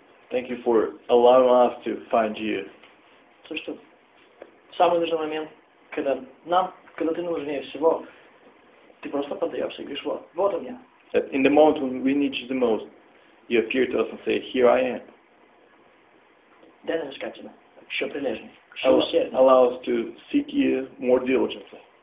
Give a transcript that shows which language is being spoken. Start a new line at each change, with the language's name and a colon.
English: Thank you for allowing us to find you.
Russian: So что самый нужный момент, когда ты нужнее всего, ты просто поддаешься и говоришь, вот он я.
English: In the moment when we need you the most, you appear to us and say, here I am.
Russian: Дай нам искать Тебя, еще прилежнее, еще усерднее.
English: Allow us to seek you more diligently.